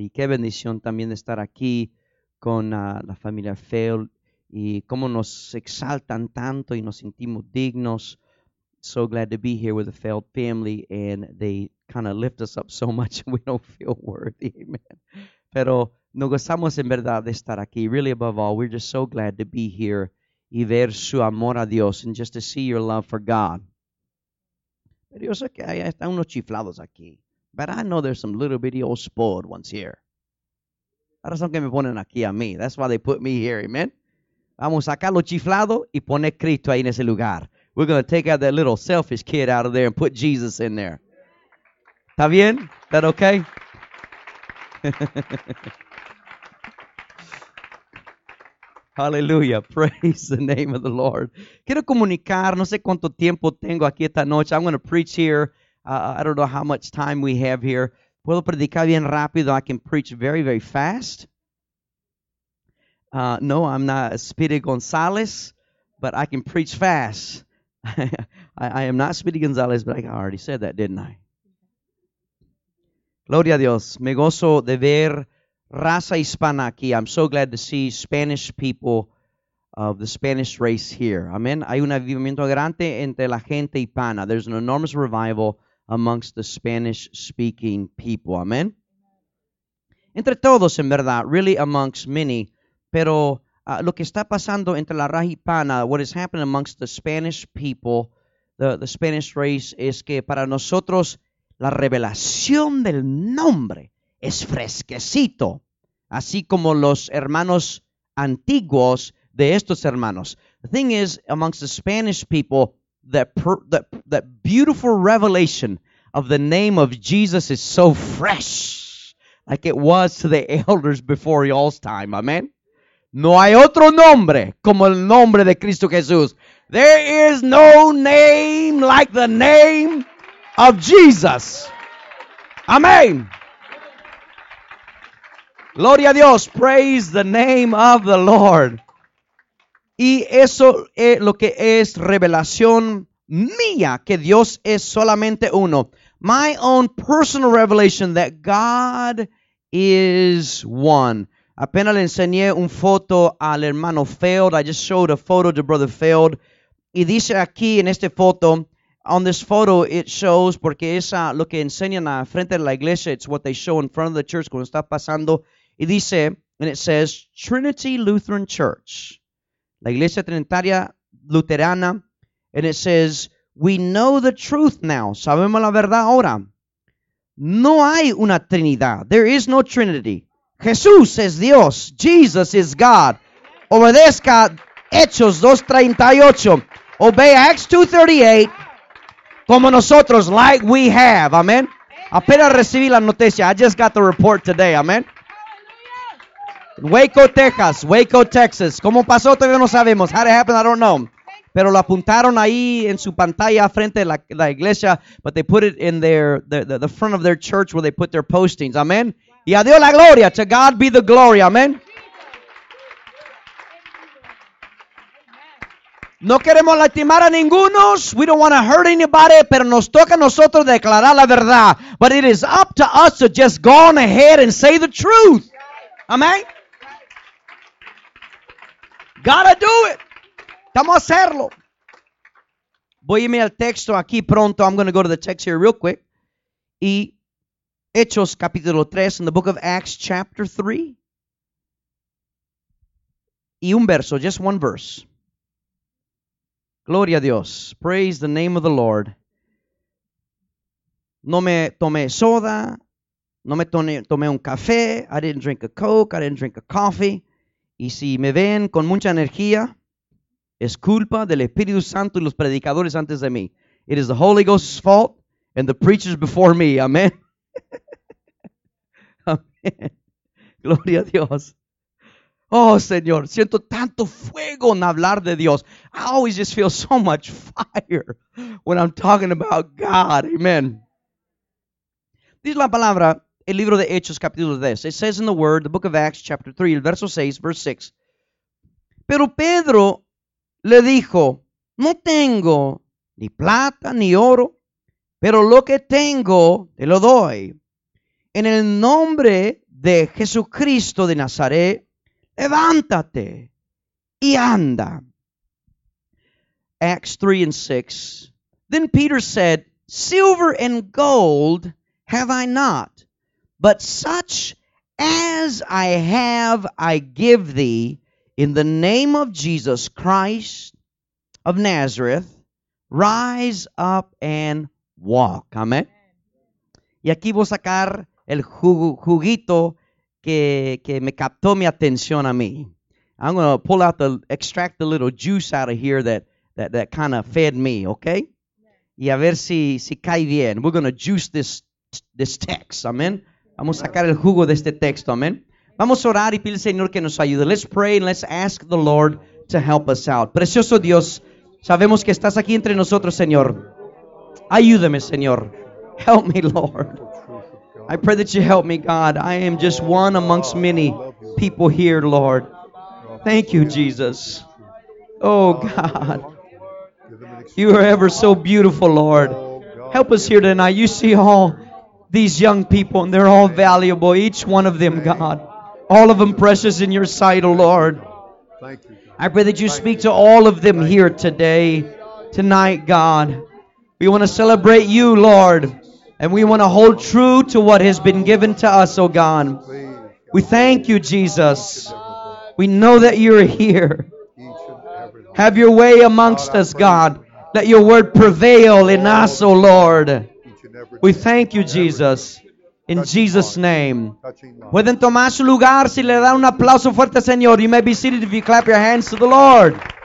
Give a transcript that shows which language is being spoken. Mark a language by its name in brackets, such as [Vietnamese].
[Spanish] Y qué bendición también de estar aquí con la familia Fell. Y cómo nos exaltan tanto y nos sentimos dignos. [English] So glad to be here with the Fell family. And they kind of lift us up so much and we don't feel worthy. Amen. [Spanish] Pero nos gozamos en verdad de estar aquí. [English] Really, above all, we're just so glad to be here. [Spanish] Y ver su amor a Dios. [English] And just to see your love for God. [Spanish] Pero yo sé que hay hasta unos chiflados aquí. [English] But I know there's some little bitty old spoiled ones here. [Spanish] La razón que me ponen aquí a mí. [English] That's why they put me here, amen? [Spanish] Vamos a sacar los chiflados y poner Cristo ahí en ese lugar. [English] We're going to take out that little selfish kid out of there and put Jesus in there. [Spanish] ¿Está bien? ¿Está okay? [English] Hallelujah. Praise the name of the Lord. [Spanish] Quiero comunicar. No sé cuánto tiempo tengo aquí esta noche. [English] I'm going to preach here. I don't know how much time we have here. [Spanish] Puedo predicar bien rápido. [English] I can preach very, very fast. No, I'm not Speedy Gonzalez, but I can preach fast. I am not Speedy Gonzalez, but I already said that, didn't I? [Spanish] Gloria a Dios. Me gozo de ver raza hispana aquí. [English] I'm so glad to see Spanish people of the Spanish race here. Amen. [Spanish] Hay un avivamiento grande entre la gente hispana. [English] There's an enormous revival amongst the Spanish-speaking people. [Spanish] Amen. Entre todos, en verdad, [English] really amongst many. [Spanish] Pero lo que está pasando entre la raza hispana, [English] what has happened amongst the Spanish people, the Spanish race, [Spanish] es que para nosotros la revelación del nombre es fresquecito, así como los hermanos antiguos de estos hermanos. [English] The thing is, amongst the Spanish people, that beautiful revelation of the name of Jesus is so fresh, like it was to the elders before y'all's time. Amen. [Spanish] No hay otro nombre como el nombre de Cristo Jesús. [English] There is no name like the name of Jesus. Amen. [Spanish] Gloria a Dios. [English] Praise the name of the Lord. [Spanish] Y eso es lo que es revelación mía, que Dios es solamente uno. [English] My own personal revelation that God is one. [Spanish] Apenas le enseñé un foto al hermano Field. [English] I just showed a photo to Brother Field. [Spanish] Y dice aquí en esta foto, [English] on this photo it shows, [Spanish] porque es lo que enseñan a frente de la iglesia, [English] it's what they show in front of the church [Spanish] cuando está pasando. Y dice, [English] and it says, Trinity Lutheran Church, [Spanish] la Iglesia Trinitaria Luterana, [English] and it says, we know the truth now, [Spanish] sabemos la verdad ahora. No hay una Trinidad, [English] there is no Trinity. [Spanish] Jesús es Dios, [English] Jesus is God. [Spanish] Obedezca Hechos 2:38, [English] obey Acts 2:38, [Spanish] como nosotros, [English] like we have, amen. [Spanish] Apenas recibí la noticia, [English] I just got the report today, amen. Waco, Texas. [Spanish] ¿Cómo pasó? Todavía no sabemos. [English] How it happened, I don't know. [Spanish] Pero lo apuntaron ahí en su pantalla frente a la iglesia. [English] But they put it in the front of their church where they put their postings. Amen. [Spanish] Y a Dios la gloria. [English] To God be the glory. Amen. [Spanish] No queremos lastimar a ninguno. [English] We don't want to hurt anybody. [Spanish] Pero nos toca a nosotros declarar la verdad. [English] But it is up to us to just go on ahead and say the truth. Amen. Gotta do it. [Spanish] Vamos a hacerlo. Voy a irme al texto aquí pronto. [English] I'm going to go to the text here real quick. [Spanish] Y Hechos capítulo 3 [English] in the book of Acts chapter 3. [Spanish] Y un verso, [English] just one verse. [Spanish] Gloria a Dios. [English] Praise the name of the Lord. [Spanish] No me tomé soda. No me tomé un café. [English] I didn't drink a Coke. I didn't drink a coffee. [Spanish] Y si me ven con mucha energía, es culpa del Espíritu Santo y los predicadores antes de mí. [English] It is the Holy Ghost's fault and the preachers before me. Amen. [Spanish] Amén. Gloria a Dios. Oh, Señor, siento tanto fuego en hablar de Dios. [English] I always just feel so much fire when I'm talking about God. Amen. [Spanish] Dice la palabra, el libro de Hechos, capítulo 10. [English] It says in the Word, the book of Acts, chapter 3, [Spanish] el verso 6, [English] verse 6. [Spanish] Pero Pedro le dijo, no tengo ni plata ni oro, pero lo que tengo te lo doy. En el nombre de Jesucristo de Nazaret, levántate y anda. [English] Acts 3 and 6. Then Peter said, silver and gold have I not, but such as I have I give thee. In the name of Jesus Christ of Nazareth, rise up and walk. Amen. Y aquí voy a sacar el juguito que me captó mi atención a mí. I'm going to pull out extract the little juice out of here that kind of fed me, okay? [Spanish] Y a ver si cae bien. [English] We're going to juice this text. Amen. [Spanish] Vamos a sacar el jugo de este texto. Amen. Vamos a orar y pide al Señor que nos ayude. [English] Let's pray and let's ask the Lord to help us out. [Spanish] Precioso Dios, sabemos que estás aquí entre nosotros, Señor. Ayúdame, Señor. [English] Help me, Lord. I pray that you help me, God. I am just one amongst many people here, Lord. Thank you, Jesus. Oh, God. You are ever so beautiful, Lord. Help us here tonight. You see all these young people and they're all valuable, each one of them, God. All of them precious in your sight, O Lord. Thank you. I pray that you speak to all of them here today, tonight, God. We want to celebrate you, Lord. And we want to hold true to what has been given to us, O God. We thank you, Jesus. We know that you're here. Have your way amongst us, God. Let your word prevail in us, O Lord. We thank you, Jesus. In Jesus' name. [Spanish] Pueden tomar su lugar si le dan un aplauso fuerte al Señor. [English] You may be seated if you clap your hands to the Lord.